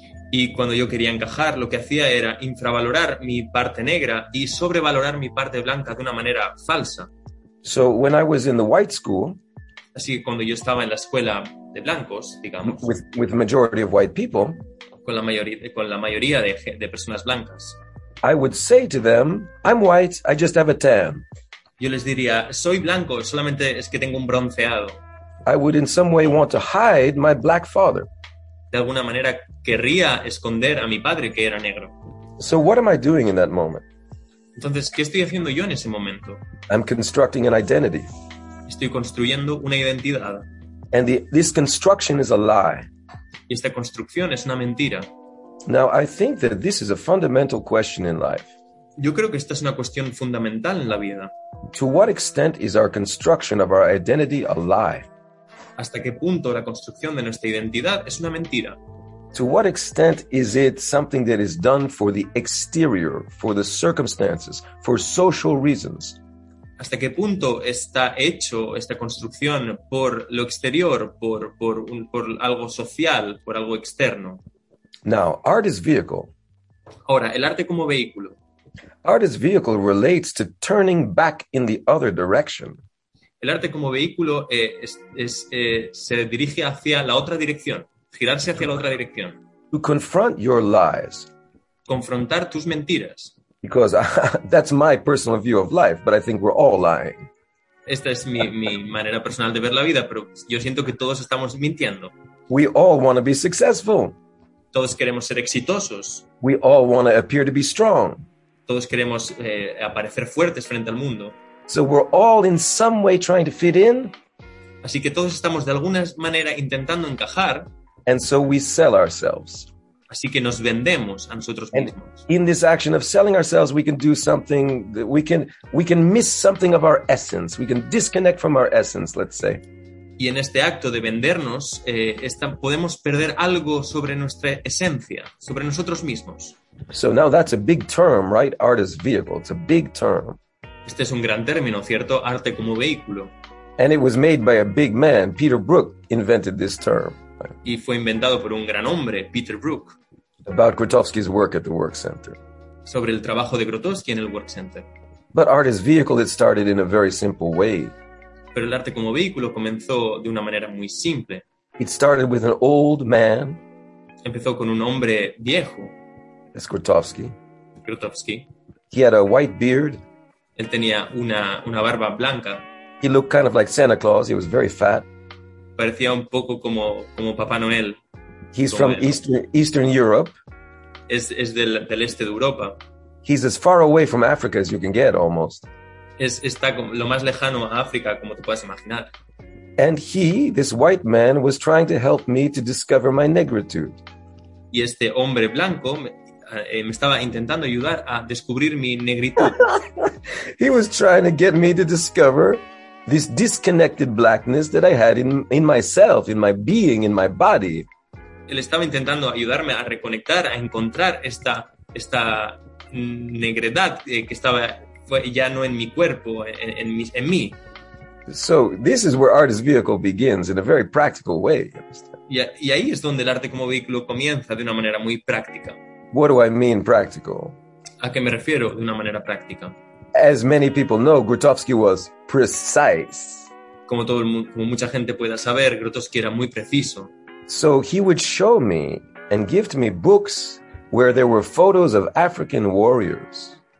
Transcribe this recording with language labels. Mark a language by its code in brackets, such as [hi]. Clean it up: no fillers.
[es] Y cuando yo quería encajar, lo que hacía era infravalorar mi parte negra y sobrevalorar mi parte blanca de una manera falsa. [en] So when I was in the white school, [es] así que cuando yo estaba en la escuela de blancos, digamos, [en] with majority of white people, [es] con la mayoría de personas blancas, [en] I would say to them, I'm white, I just have a tan. [es] Yo les diría, soy blanco, solamente es que tengo un bronceado. [en] I would in some way want to hide my black father. [es] De alguna manera querría esconder a mi padre que era negro. [en] So what am I doing in that moment? [es] Entonces, ¿qué estoy haciendo yo en ese momento? [en] I'm constructing an identity. [es] Estoy construyendo una identidad. [en] And this construction is a lie. [es] Y esta construcción es una mentira. [en] Now, I think that this is a fundamental question in life. [es] Yo creo que esta es una cuestión fundamental en la vida. [en] To what extent is our construction of our identity a lie? [es] ¿Hasta qué punto la construcción de nuestra identidad es una mentira? [en] To what extent is it something that is done for the exterior, for the circumstances, for social reasons? [es] ¿Hasta qué punto está hecho esta construcción por lo exterior, por algo social, por algo externo? [en] Now, art is vehicle. [es] Ahora, el arte como vehículo. [en] Art is vehicle relates to turning back in the other direction. [es] El arte como vehículo se dirige hacia la otra dirección, girarse hacia la otra dirección. [en] To confront your lies. [es] Confrontar tus mentiras. [en] Because that's my personal view of life, but I think we're all lying. [es] Esta es mi manera personal de ver la vida, pero yo siento que todos estamos mintiendo. [en] We all want to be successful. [es] Todos queremos ser exitosos. [en] We all want to appear to be strong. [es] Todos queremos aparecer fuertes frente al mundo. [en] So we're all in some way trying to fit in. [es] Así que todos estamos de alguna manera intentando encajar. [en] And so we sell ourselves. [es] Así que nos vendemos a nosotros mismos. [en] And in this action of selling ourselves, we can do something that we can miss something of our essence. We can disconnect from our essence, let's say. [es] Y en este acto de vendernos, podemos perder algo sobre nuestra esencia, sobre nosotros mismos. [en] So now that's a big term, right? Art as vehicle. It's a big term. [es] Este es un gran término, ¿cierto? Arte como vehículo. [en] And it was made by a big man. Peter Brook invented this term. [es] Y fue inventado por un gran hombre, Peter Brook. [en] About Grotowski's work at the Work Center. [es] Sobre el trabajo de Grotowski en el Work Center. [en] But art as vehicle, it started in a very simple way. [es] Pero el arte como vehículo comenzó de una manera muy simple. [en] It started with an old man. [es] Empezó con un hombre viejo. [en] That's Grotowski. [es] Grotowski. [en] He had a white beard. Él tenía una barba blanca. He looked kind of like Santa Claus. He was very fat. [es] Parecía un poco como Papá Noel. [en] He's como from Eastern Europe. [es] Es del este de Europa. [en] He's as far away from Africa as you can get, almost. [es] Está lo más lejano a África como te puedas imaginar. [en] And he, this white man, was trying to help me to discover my negritude. [es] Y este hombre blanco me estaba intentando ayudar a descubrir mi negritud. [en] He was trying to get me to discover this disconnected blackness that I had in myself, in my being, in my body. [es] Él estaba intentando ayudarme a reconectar, a encontrar esta negredad que estaba ya no en mi cuerpo, en mí. [en] So this is where art as vehicle begins in a very practical way. [es] Y ahí es donde el arte como vehículo comienza de una manera muy práctica. [en] What do I mean practical? [es] ¿A qué me refiero de una manera práctica? [en] As many people know, Grotowski was precise. [es] Como mucha gente pueda saber, Grotowski era muy preciso. [en] So he would show me and give to me books where there were photos of African warriors.